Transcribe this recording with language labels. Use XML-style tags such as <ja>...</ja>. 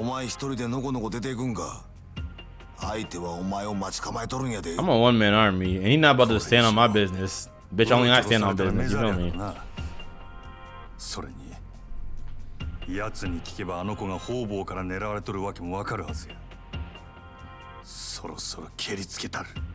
<ja>俺の取引したい言うとった。奴の欲しがっとるのは牧村誠っちゅうことや。ドライする。相手はグランドで俺を待っとる。あんたはあの子についててやれや。そらええけど、お前一人でのこのこ出ていくんか。</ja> <en>I'm a one-man army, and he not about to stand on my business. Bitch, only I stand on business, you feel me?</en> <ja>奴に聞けばあの子が方々から狙われとるわけもわかるはずや。そろそろ蹴りつけたる。</ja>